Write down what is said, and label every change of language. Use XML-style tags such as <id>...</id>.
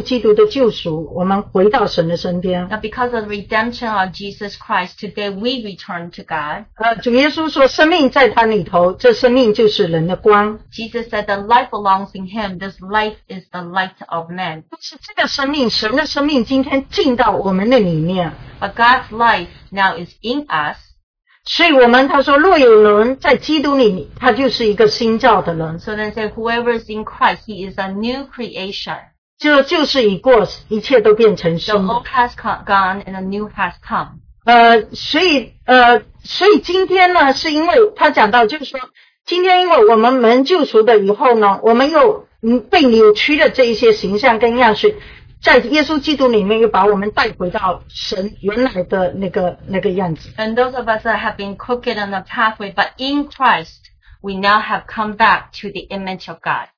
<zh>然后就讲到就是说我们那现在我们是因为耶稣基督的救赎我们回到神的身边。</zh> <en>Now because of the redemption of Jesus Christ, today we return to God.</en> <zh>主耶稣说生命在他里头,这生命就是人的光。Jesus</zh> <en>said the life belongs in him, this life is the light of man.</en> <zh>但是这个生命,神的生命今天进到我们的里面。</zh> <en>But God's life now is in us.</en> <zh>所以我们他说若有人在基督里他就是一个新造的人。</zh> <en>So then say whoever is in Christ, he is a new creation.</en> <zh>就是已过，一切都变成新的。</zh> <en>The old has gone and a new has come.</en> <zh>所以今天呢，是因为他讲到，就是说，今天因为我们蒙救赎的以后呢，我们又被扭曲的这一些形象跟样式，在耶稣基督里面又把我们带回到神原来的那个样子。</zh> <en>And those of us that have been crooked on the pathway, but in Christ, we now have come back to the image of God.</en>